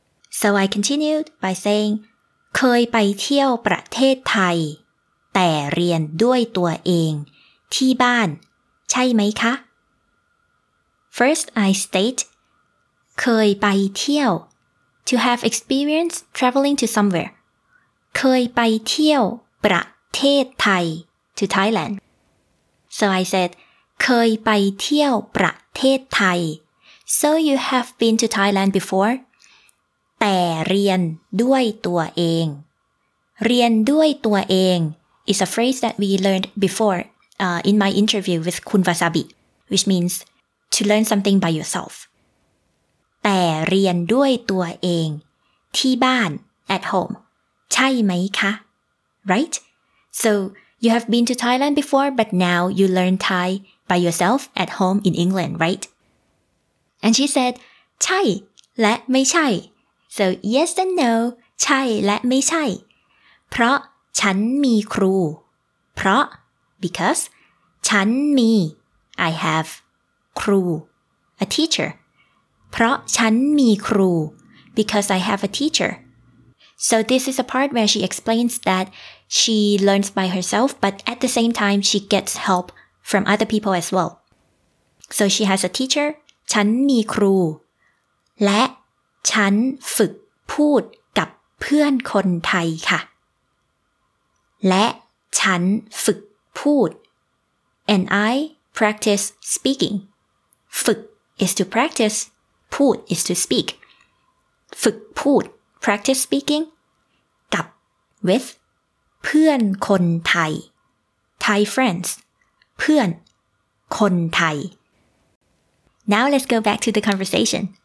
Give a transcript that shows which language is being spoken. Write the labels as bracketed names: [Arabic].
[English] So I continued by saying, [Thai] เคยไปเที่ยวประเทศไทยแต่เรียนด้วยตัวเองที่บ้านใช่ไหมคะ? [English] First, I state, [Thai] เคยไปเที่ยว [English] to have experience traveling to somewhere. [Thai] เคยไปเที่ยวประเทศไทย [English] to Thailand. So I said, [Thai] เคยไปเที่ยวประเทศไทย [English] So you have been to Thailand before? [Thai] แต่เรียนด้วยตัวเองเรียนด้วยตัวเอง [English] is a phrase that we learned before in my interview with คุณวาซาบิ which means to learn something by yourself. [Thai] แต่เรียนด้วยตัวเองที่บ้าน [English] at home. [Thai] ใช่ไหมคะ? [English] Right? So,You have been to Thailand before, but now you learn Thai by yourself at home in England, right? And she said, [Thai] ใช่และไม่ใช่ [English] So yes and no, [Thai] ใช่และไม่ใช่เพราะฉันมีครูเพราะ [English] because [Thai] ฉันมี [English] I have ครู a teacher [Thai] เพราะฉันมีครู [English] because I have a teacher So this is a part where she explains thatShe learns by herself, but at the same time, she gets help from other people as well. So she has a teacher, [Thai] ฉันมีครูและฉันฝึกพูดกับเพื่อนคนไทยค่ะและฉันฝึกพูด [English] and I practice speaking. ฝึก is to practice, พูด is to speak. [Thai] ฝึกพูด [English] practice speaking กับ with [Thai] เพื่อนคนไทย [English] Thai friends เพื่อนคนไทย Now let's go back to the conversation